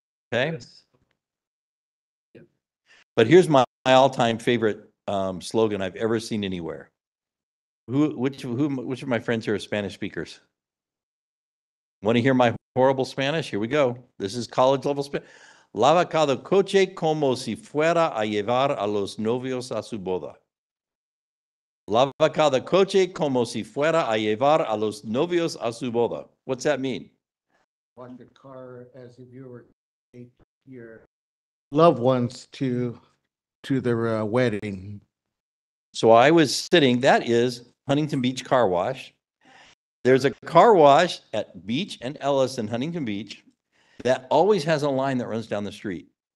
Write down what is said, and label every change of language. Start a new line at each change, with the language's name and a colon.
English: Okay. But here's my all-time favorite slogan I've ever seen anywhere. Which of my friends here are Spanish speakers? Want to hear my horrible Spanish? Here we go. This is college level Spanish.
Spanish: Lava cada coche como si fuera a llevar a los novios a su boda. Lava cada coche como si fuera a llevar a los novios a su boda.
English: What's that mean? Wash the car as if you were your loved ones to their wedding. So I was sitting, that is Huntington Beach Car Wash. There's a car wash at Beach and Ellis in Huntington Beach that always has a line that runs down the street.